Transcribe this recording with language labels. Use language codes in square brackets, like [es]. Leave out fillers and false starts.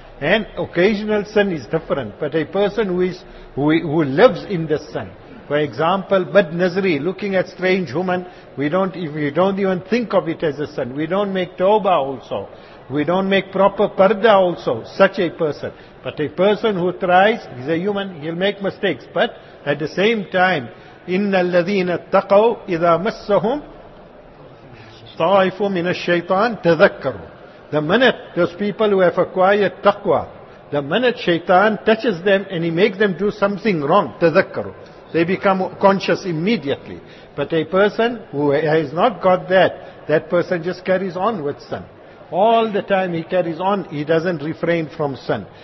[en] And occasional sin is different, but a person who lives in the sin. For example, bad nazri, looking at strange woman, we don't even think of it as a sin. We don't make tawbah also. We don't make proper parda also, such a person. But a person who tries, he's a human, he'll make mistakes. [ar] But at the same time, إِنَّ الَّذِينَ اتَّقَوْا إِذَا مَسَّهُمْ طَائِفُ مِنَ الشَّيْطَانِ تَذَكَّرُوا. [en] The minute those people who have acquired taqwa, the minute shaitan touches them and he makes them do something wrong, [ar] تَذَكَّرُوا, [en] they become conscious immediately. But a person who has not got that person just carries on with sin. All the time he carries on, he doesn't refrain from sin.